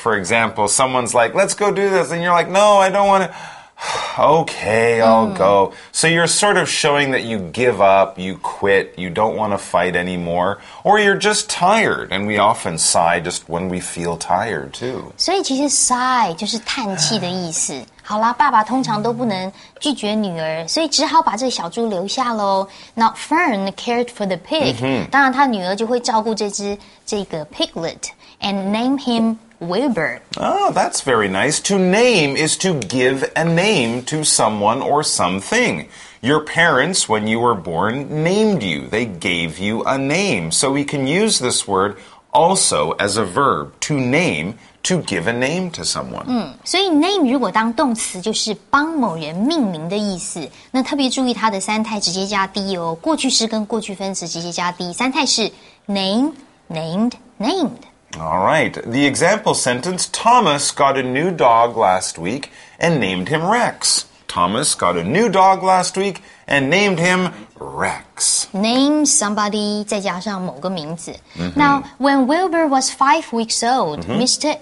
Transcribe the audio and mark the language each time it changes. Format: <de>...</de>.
<en>For example, someone's like, let's go do this. And you're like, no, I don't want to. Okay, I'll go. So you're sort of showing that you give up, you quit, you don't want to fight anymore. Or you're just tired. And we often sigh just when we feel tired, too.</en> <zh>所以其实 sigh 就是叹气的意思。好啦，爸爸通常都不能拒绝女儿，所以只好把这小猪留下咯。</zh> <en>Now, Fern cared for the pig.</en> <zh>当然，他女儿就会照顾这个</zh> <en>piglet and name him Wilbur. Oh, that's very nice. To name is to give a name to someone or something. Your parents, when you were born, named you. They gave you a name. So we can use this word also as a verb, to name,To give a name to someone.</en> <zh>所以 name 如果当动词就是帮某人命名的意思。那特别注意它的三态直接加 D 哦。过去式跟过去分词直接加 D。三态是 name, named, named.</zh> <en>All right. The example sentence, Thomas got a new dog last week and named him Rex. Thomas got a new dog last week and named him Rex. Name somebody</en> <zh>再加上某个名字。</zh> <en>Now, when Wilbur was 5 weeks old, Mr.</en>